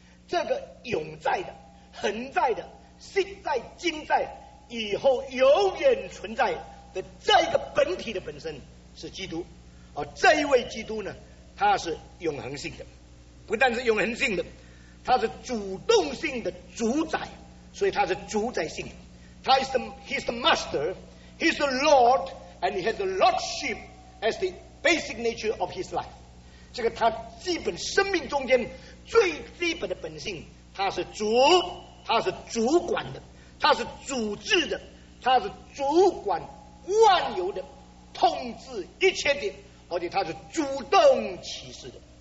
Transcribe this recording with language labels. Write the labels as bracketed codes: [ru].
[zh] 这个永在的、恒在的、现在、今在、以后永远存在的这一个本体的本身是基督。而这一位基督呢，他是永恒性的，不但是永恒性的，他是主动性的主宰，所以他是主宰性的。 [en] 他 is the, he's the master, he's the lord, and he has the lordship as the basic nature of his life. [zh] 这个他基本生命中间最基本的本性，他是主，他是主管的，他是主治的，他是主管万有的，控制一切的，而且他是主动启示的。